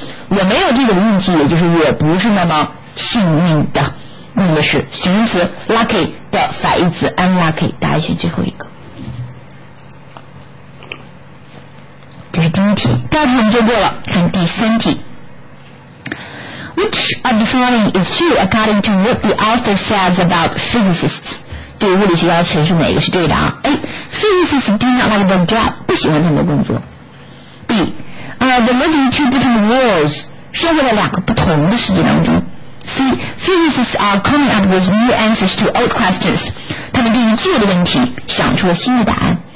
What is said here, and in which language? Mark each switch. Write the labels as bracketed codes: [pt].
[zh] 我没有这种运气，也就是我不是那么幸运的。用的是形容词 lucky 的反义词 unlucky。答案选最后一个，这是第一题。第二题我们就过了，看第三题。 [en] Which of the following is true according to what the author says about physicists? [zh] 对物理学家的陈述哪个是对的啊？ [en] A. Physicists do not like their job， [zh] 不喜欢他们的工作。 [en] B. They live in two different worlds， [zh] 生活在两个不同的世界当中。 [en] C. Physicists are coming up with new answers to old questions， [zh] 他们对于旧的问题想出了新的答案。